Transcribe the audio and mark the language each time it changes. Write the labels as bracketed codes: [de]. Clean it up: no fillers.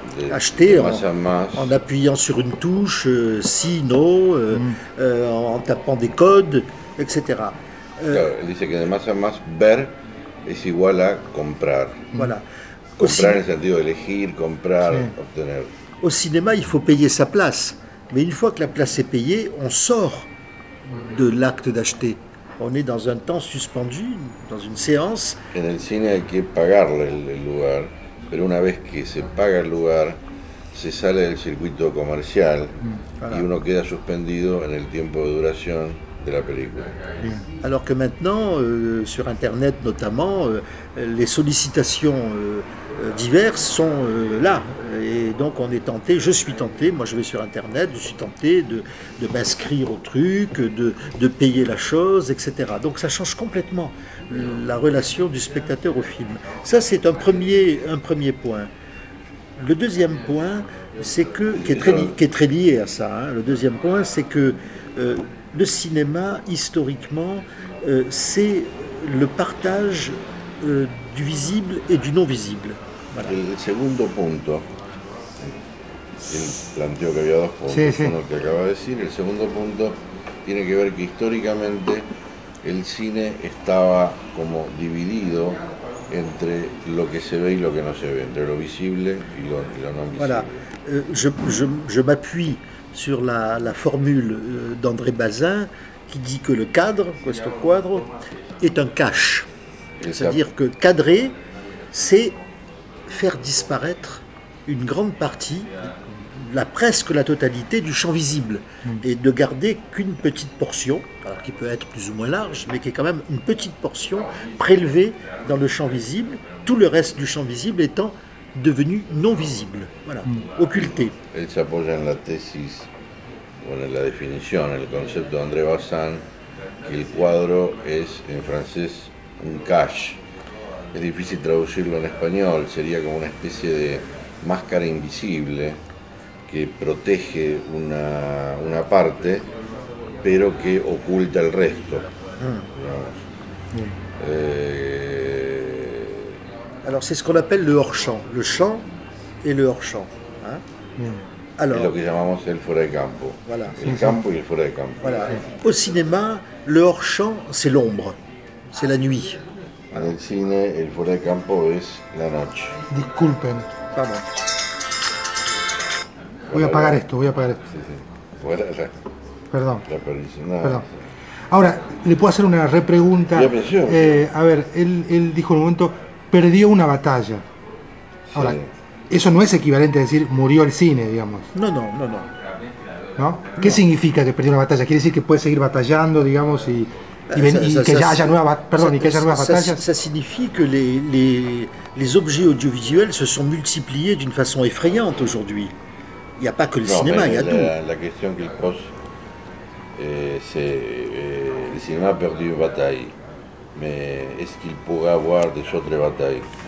[fr] Acheter en appuyant sur une touche, en tapant des codes, etc. [es] Claro, [fr] il dit que de masse en masse, ver est égal à comprar. Voilà. [es] Comprar en el sentido de elegir, comprar, sí. obtener. [fr] Au cinéma, il faut payer sa place. Mais une fois que la place est payée, on sort de l'acte d'acheter. On est dans un temps suspendu, dans une séance. [es] En el cine hay que pagar el lugar, pero una vez que se paga el lugar, se sale del circuito comercial y uno queda suspendido en el tiempo de duración de la película. [fr] Alors que maintenant, sur Internet notamment, les sollicitations diverses sont là. Et donc on est tenté, je suis tenté, moi je vais sur Internet, je suis tenté de m'inscrire au truc, de payer la chose, etc. Donc ça change complètement la relation du spectateur au film. Ça c'est un premier point. Le deuxième point, c'est que, qui est très lié à ça, hein, le deuxième point, c'est que le cinéma, historiquement, c'est le partage du visible et du non-visible. Voilà. [es] El segundo punto, el planteo que había dos puntos, uno que acaba de decir, el segundo punto tiene que ver que históricamente el cine estaba como dividido entre lo que se ve y lo que no se ve, entre lo visible y lo no visible. [fr] Voilà, je m'appuie sur la formule d'André Bazin qui dit que le cadre, [it] questo quadro, [fr] est un cache. C'est-à-dire que cadrer, c'est faire disparaître une grande partie, presque la totalité du champ visible, et de garder qu'une petite portion, alors qui peut être plus ou moins large, mais qui est quand même une petite portion prélevée dans le champ visible, tout le reste du champ visible étant devenu non visible, voilà, occulté. Il s'appuie sur la thèse, ou sur la définition, le concept d'André Bazin, que le cadre est en français un cache. [es] Es difícil traducirlo en español, sería como una especie de máscara invisible que protege una parte, pero que oculta el resto. [fr] Alors, c'est ce qu'on appelle le hors-champ, le champ et le hors-champ. Hein? Alors, [es] es lo que llamamos el fuera de campo. [fr] Voilà. [es] El campo y el fuera de campo. [fr] Voilà. Au cinéma, le hors-champ, c'est l'ombre, c'est la nuit. [es] En el cine, el fuera de campo es la noche. Disculpen. Vamos. Voy a apagar esto. Sí, sí. Fuera de la... Perdón. La perdición. No, perdón. Sí. Ahora, ¿le puedo hacer una repregunta? ¿Ya pensó? A ver, él dijo en un momento, perdió una batalla. Sí. Ahora, eso no es equivalente a decir murió el cine, digamos. No. ¿No? ¿Qué no. significa que perdió una batalla? ¿Quiere decir que puede seguir batallando, digamos, y...? [fr] Ça signifie que les objets audiovisuels se sont multipliés d'une façon effrayante aujourd'hui. Il n'y a pas que le cinéma, il y a tout. La question qu'il pose, c'est le cinéma a perdu une bataille, mais est-ce qu'il pourrait avoir des autres batailles?